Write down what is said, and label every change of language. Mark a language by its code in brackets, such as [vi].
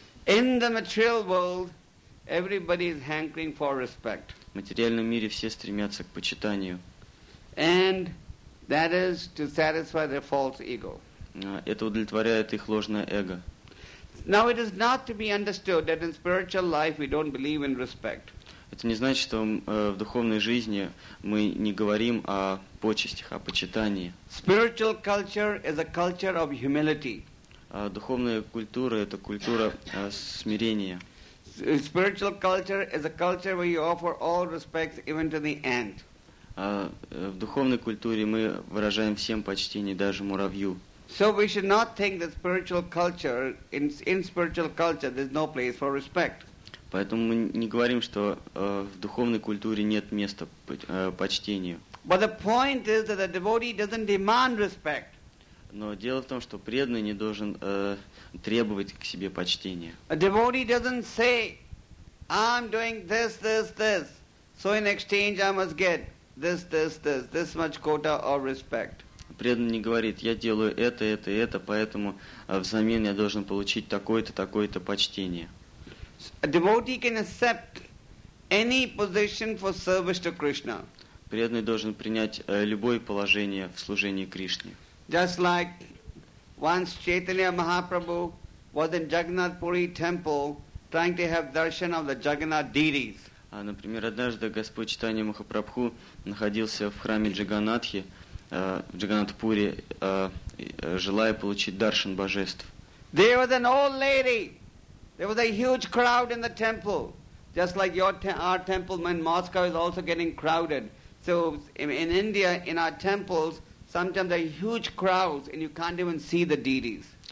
[en] In the material world, everybody is hankering for respect. [ru] В материальном мире все стремятся к почитанию. [en] And that is to satisfy their false ego. [ru] Это удовлетворяет их ложное эго. [en] Now it is not to be understood that in spiritual life we don't believe in respect. [ru] Это не значит, что в духовной жизни мы не говорим о почестях, о почитании. [en] Spiritual culture is a culture of humility. [ru] Духовная культура – это культура смирения. [en] Spiritual culture is a culture where you offer all respects even to the ant. [ru] В духовной культуре мы выражаем всем почтение, даже муравью. [en] So we should not think that spiritual culture, in spiritual culture, there's no place for respect. [ru] Поэтому мы не говорим, что в духовной культуре нет места почтению. [en] But the point is that the devotee doesn't demand respect. [ru] Но дело в том, что преданный не должен требовать к себе почтения. [en] A devotee doesn't say, I'm doing this, this, this, so in exchange I must get this, this, this, this much quota of respect. [ru] Преданный не говорит, я делаю это, это, поэтому взамен я должен получить такое-то почтение. [en] A devotee can accept any position for service to Krishna. [ru] Преданный должен принять любое положение в служении Кришне. [en] Just like once Chaitanya Mahaprabhu was in Jagannath Puri temple trying to have darshan of the Jagannath deities. [ru] Например, однажды Господь Чайтанья Махапрабху находился в храме Джаганатхи, в Джаганатхпуре, желая получить даршан божеств. [en] There was an old lady. There was a huge crowd in the temple. Just like our temple in Moscow is also getting crowded. So in India, in our temples, sometimes there are huge crowds and you can't even see the deities.